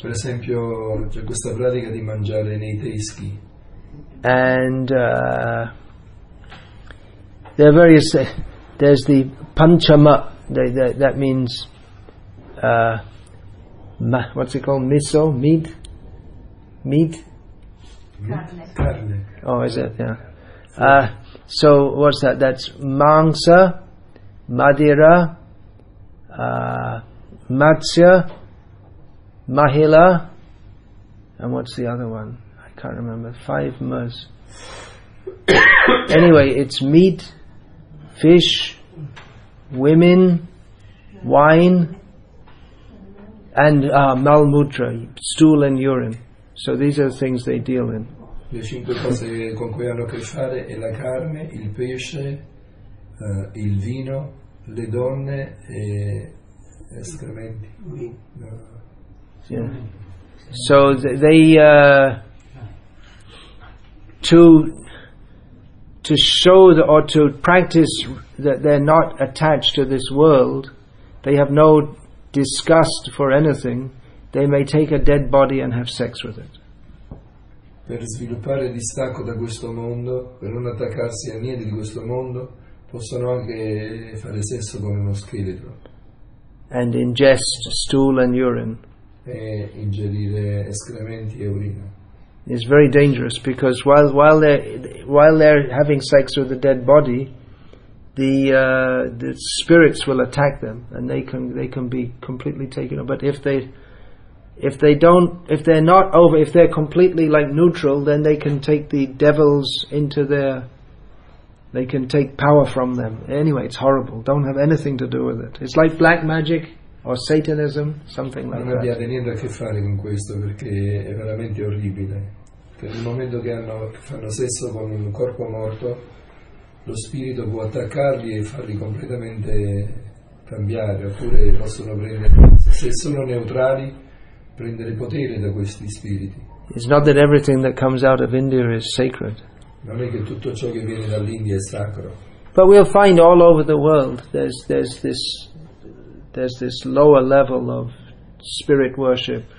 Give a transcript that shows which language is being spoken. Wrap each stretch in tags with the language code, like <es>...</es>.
<it>Per esempio c'è questa pratica di mangiare nei teschi.</it> <en>And there are various there's the panchama, that means what's it called? Miso? Meat? Meat?</en> <it>Carne.</it> <en>Oh, is it? Yeah. So what's that? That's mangsa, madira, matsya, mahila, and what's the other one? I can't remember. Five mas. Anyway, it's meat, fish, women, wine, and malmutra, stool and urine. So these are the things they deal in.</en> <it>Le cinque cose con cui hanno a che fare è la carne, il pesce, il vino, le donne e escrementi.</it> <en>So they to show the, or to practice that they're not attached to this world, they have no disgust for anything, they may take a dead body and have sex with it.</en> <it>Per sviluppare distacco da questo mondo, per non attaccarsi a niente di questo mondo, possono anche fare sesso con uno scheletro.</it> <en>And ingest stool and urine.</en> <it>E ingerire escrementi e urina.</it> <en>It's very dangerous because while they're having sex with the dead body, the spirits will attack them and they can be completely taken up. But if they're completely like neutral, then they can take the devils into their, they can take power from them. Anyway, it's horrible. Don't have anything to do with it. It's like black magic or Satanism, something like that.</en> <it>Non abbiate niente a che fare con questo perché è veramente orribile. Per il momento che fanno sesso con un corpo morto, lo spirito può attaccarli e farli completamente cambiare, oppure possono prendere, se sono neutrali, prendere potere da questi spiriti.</it> <en>It's not that everything that comes out of India is sacred.</en> <it>Non è che tutto ciò che viene dall'India è sacro.</it> <en>But we'll find all over the world there's this lower level of spirit worship</en>